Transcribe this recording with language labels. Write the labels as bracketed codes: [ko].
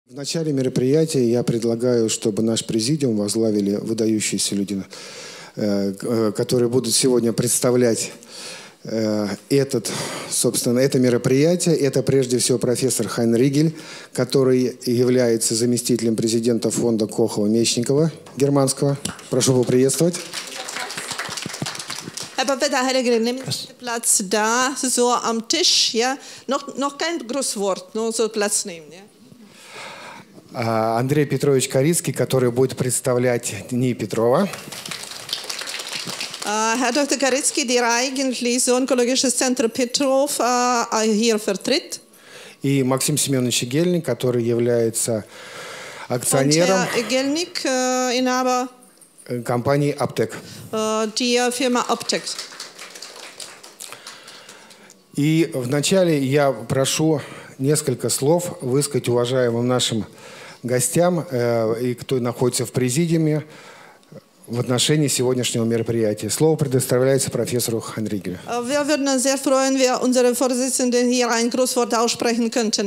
[ru] В начале мероприятия я предлагаю, чтобы наш президиум возглавили выдающиеся люди, которые будут сегодня представлять этот, собственно, это мероприятие. Это прежде всего профессор Хайн Ригель, который является заместителем президента фонда Кохова-Мечникова германского. Прошу его приветствовать. [de] Herr Papetta, Herr Ligger, nehmen Sie Platz da, so am Tisch, ja? Noch kein Grußwort, nur so Platz nehmen, ja? [ru] Андрей Петрович Корицкий, который будет представлять Дни Петрова. [de] Herr Dr. Korizki, der eigentlich so onkologisches Zentrum Petrov hier vertritt. [ru] И Максим Семенович Гельник, который является акционером. [de] Und Herr Gelnik, Inhaber. [ru] Компании Аптек. [de] Die Firma Aptek. [ru] И вначале я прошу несколько слов высказать уважаемым нашим гостям и кто находится в президиуме в отношении сегодняшнего мероприятия. Слово предоставляется профессору Хайн-Ригелю. [de] Wir würden uns sehr freuen, wenn unsere Vorsitzende hier ein Grußwort aussprechen könnten.